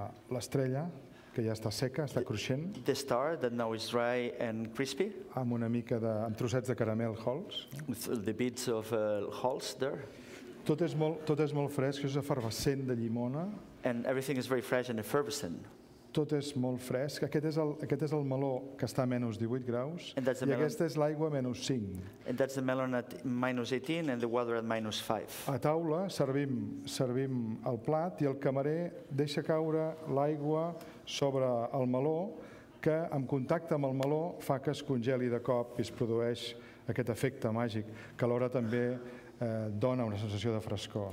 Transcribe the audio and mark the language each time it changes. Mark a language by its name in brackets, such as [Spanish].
[Catalan] L'estrella, que ja està seca, està cruixent. [English] The star that now is dry and crispy. [Catalan] Amb una mica de amb trossets de caramel Halls. [English] With the bits of Halls there. [Catalan] Tot és molt fresc, és efervescent de llimona. [English] And everything is very fresh and effervescent. [Catalan] Tot és molt fresc. Aquest és el meló que està a menys 18 graus i aquesta és l'aigua a menys 5. [English] And that's the melon at -18 and the water at -5. [Catalan] A taula servim el plat i el camarer deixa caure l'aigua sobre el meló que en contacte amb el meló fa que es congeli de cop i es produeix aquest efecte màgic que alhora també dona una sensació de frescor.